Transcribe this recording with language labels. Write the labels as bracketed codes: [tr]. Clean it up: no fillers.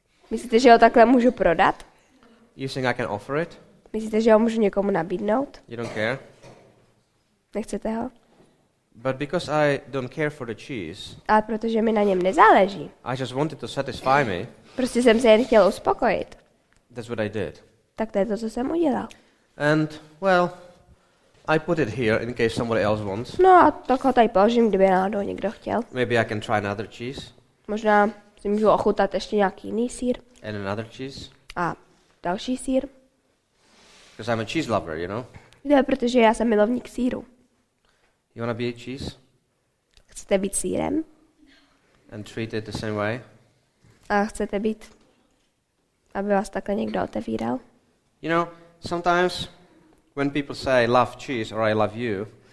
[cs] Myslíte, že ho takhle můžu prodat? [en] You think I can offer it? [cs] Myslíte, že ho můžu někomu nabídnout? [en] You don't care. [cs] Nechcete ho? [en] But because I don't care for the cheese. [cs] Ale protože mi na něm nezáleží. [en] I just wanted to satisfy me. [cs] Prostě jsem se jen chtěl uspokojit. [en] That's what I did. [cs] Tak to je to, co jsem udělal. [en] And well, I put it here in case somebody else wants. [cs] No, a tak ho tady položím, kdyby náhodou někdo chtěl. [en] Maybe I can try another cheese. [cs] Možná si můžu ochutat ještě nějaký jiný sýr. [en] And another cheese. [cs] A další sýr. [en] Because I'm a cheese lover, you know. [cs] Ne, protože já jsem milovník sýru. [en] You wanna be a cheese? [cs] Chcete být sýrem? [en] And treat it the same way? [cs] A chcete být, aby vás takhle někdo otevíral? [en] You know, sometimes when people say I love cheese or I love you.